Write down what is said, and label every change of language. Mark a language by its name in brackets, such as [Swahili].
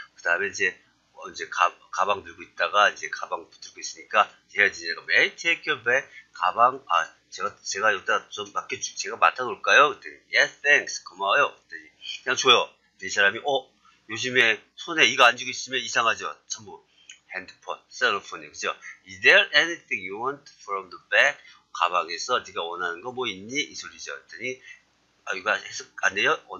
[Korean] 그 다음에 이제, 이제 가방 들고 있다가 이제 가방 들고 있으니까 헤어지니까 [English] May I take your bag? [Korean] 가방 제가 여기다 좀 맡겨 줄 제가 맡아 놓을까요? 그랬더니 [English] Yes, thanks. [Korean] 고마워요. 그랬더니 그냥 줘요. 근데 이 사람이 요즘에 손에 이거 안 쥐고 있으면 이상하죠. 전부 핸드폰, 셀폰이 그죠? [English] Is there anything you want from the bag? [Korean] 가방에서 네가 원하는 거뭐 있니? 이 소리죠. 그랬더니 이거 해석 안 돼요?